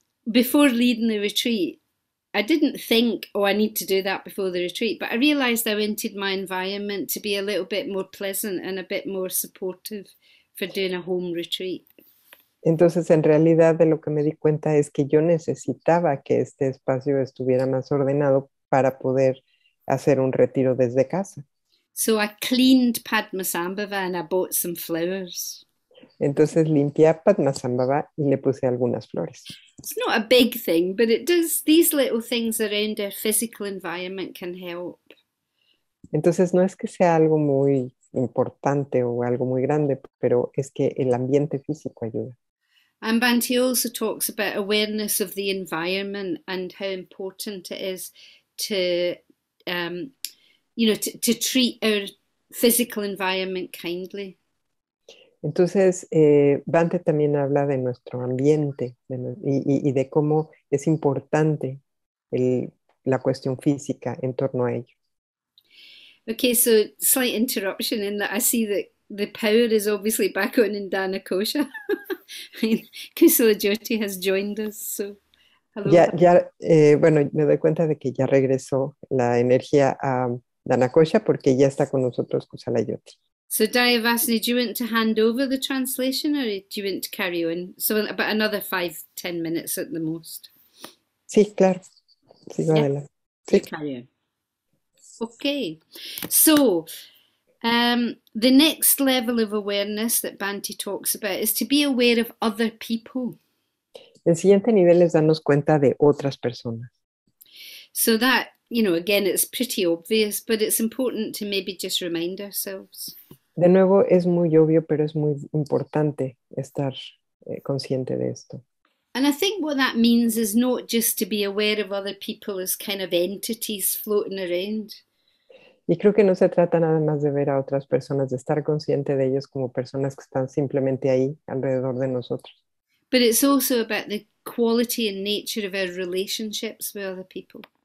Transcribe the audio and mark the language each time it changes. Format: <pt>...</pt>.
<en>Before leading the retreat, I didn't think, oh, I need to do that before the retreat, but I realized I wanted my environment to be a little bit more pleasant and a bit more supportive for doing a home retreat.</en> <es>Entonces, en realidad, de lo que me di cuenta es que yo necesitaba que este espacio estuviera más ordenado para poder hacer un retiro desde casa.</es> <en>So I cleaned Padmasambhava and I bought some flowers.</en> <es>Entonces limpié Padmasambhava y le puse algunas flores.</es> <en>It's not a big thing, but it does, these little things around our physical environment can help.</en> <es>Entonces no es que sea algo muy importante o algo muy grande, pero es que el ambiente físico ayuda.</es> <en>And Bhante also talks about awareness of the environment and how important it is to to treat our physical environment kindly.</en> <es>Entonces, Bante también habla de nuestro ambiente y de cómo es importante la cuestión física en torno a ello.</es> <en>Okay, so slight interruption in that I see that the power is obviously back on in Dhanakosha. Kusala Jyoti has joined us, so hello.</en> <es>Bueno, me doy cuenta de que ya regresó la energía a Dhanakosha porque ya está con nosotros Kusala Jyoti.</es> <en>So, Diavasani, do you want to hand over the translation or do you want to carry on? So, about another 5, 10 minutes at the most.</en> <es>Sí, claro. Sigo adelante.</es> <en>You</en> <es>Sí.</es> <en>carry on. Okay. So, the next level of awareness that Bhante talks about is to be aware of other people.</en> <es>El siguiente nivel es darnos cuenta de otras personas.</es> <en>So, that, again, it's pretty obvious, but it's important to maybe just remind ourselves.</en> <es>De nuevo, es muy obvio, pero es muy importante estar consciente de esto.</es> <en>And I think what that means is not just to be aware of other people as kind of entities floating around.</en> <es>Y creo que no se trata nada más de ver a otras personas, de estar consciente de ellos como personas que están simplemente ahí alrededor de nosotros.</es> <en>But it's also about the quality and nature of our relationships with other people.</en>